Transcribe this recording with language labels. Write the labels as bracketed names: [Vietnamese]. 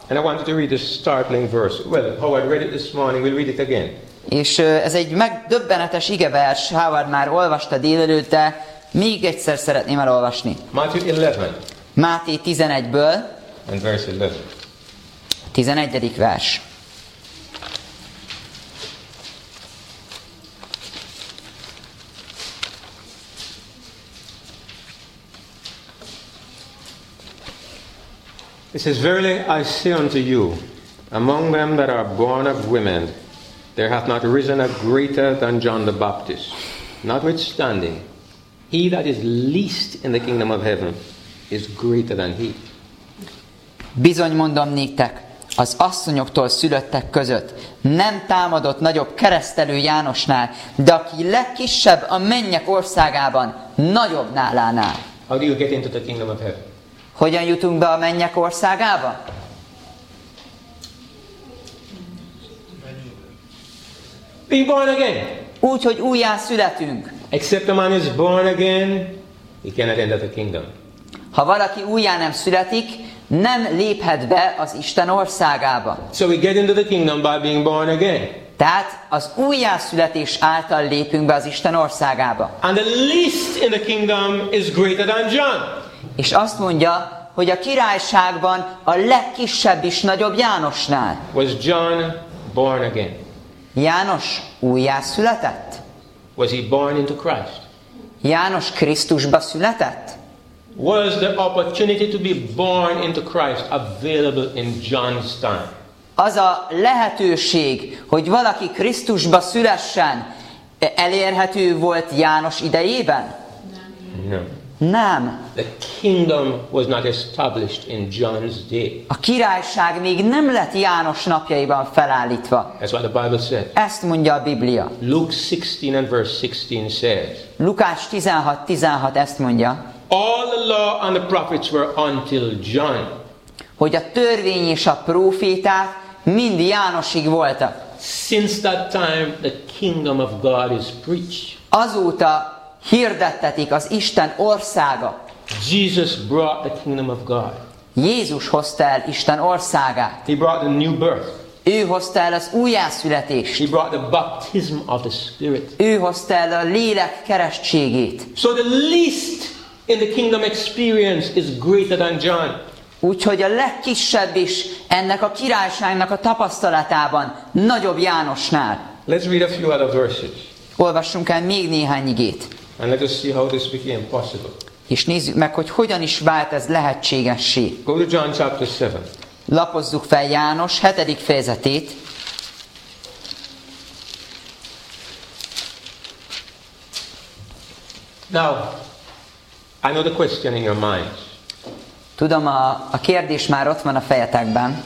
[English] And I wanted to read this startling verse. Well, Howard read it this morning. We'll read it again. [Hungarian] És ez egy megdöbbenetes igevers. Howard már olvasta délelőtt, de még egyszer szeretném elolvasni. [English] Matthew 11. [Hungarian] Máté 11-ből. [English] And verse 11. [Hungarian] 11. vers. [English] It says, verily I say unto you, among them that are born of women, there hath not risen a greater than John the Baptist. Notwithstanding, he that is least in the kingdom of heaven is greater than he. [Hungarian] Bizony mondom néktek, az asszonyoktól szülöttek között nem támadott nagyobb keresztelő Jánosnál, de aki legkisebb a mennyek országában, nagyobb nálánál. [English] How do you get into the kingdom of heaven? [Hungarian] Hogyan jutunk be a mennyek országába? [English] Be born again. [Hungarian] Úgy, hogy újjá születünk. [English] Except a man is born again, he cannot enter the kingdom. [Hungarian] Ha valaki újjá nem születik, nem léphet be az Isten országába. [English] So we get into the kingdom by being born again. [Hungarian] Tehát az újjászületés által lépünk be az Isten országába. [English] And the least in the kingdom is greater than John. [Hungarian] És azt mondja, hogy a királyságban a legkisebb is nagyobb Jánosnál. [English] Was John born again? [Hungarian] János újjászületett? [English] Was he born into Christ? [Hungarian] János Krisztusba született? [English] Was the opportunity to be born into Christ available in John's time? [Hungarian] Az a lehetőség, hogy valaki Krisztusba szülessen, elérhető volt János idejében? Nem. Nem. [English] The kingdom was not established in John's day. [Hungarian] A királyság még nem lett János napjaiban felállítva. [English] That's what the Bible said. [Hungarian] Ezt mondja a Biblia. [English] Luke 16 and verse 16 says. [Hungarian] Lukács 16:16 ezt mondja. [English] All the law and the prophets were until John. [Hungarian] Hogy a törvény és a próféták mind Jánosig voltak. [English] Since that time the kingdom of God is preached. [Hungarian] Azóta hirdettetik az Isten országa. [English] Jesus brought the kingdom of God. [Hungarian] Jézus hozta el Isten országát. [English] He brought the new birth. [Hungarian] Ő hozta el az újjászületést. [English] He brought the baptism of the Spirit. [Hungarian] Ő hozta el a lélek keresztségét. [English] So the least in the kingdom experience is greater than John. [Hungarian] Úgyhogy a legkisebb is ennek a királyságnak a tapasztalatában nagyobb Jánosnál. [English] Let's read a few other verses. [Hungarian] Olvassunk el még néhány igét. [English] And let us see how this became possible. [Hungarian] És nézzük meg, hogy hogyan is vált ez lehetségessé. [English] Go to John chapter 7. [Hungarian] Lapozzuk fel János 7. fejezetét. [English] Now, I know the question in your mind. [Hungarian] Tudom, a kérdés már ott van a fejetekben.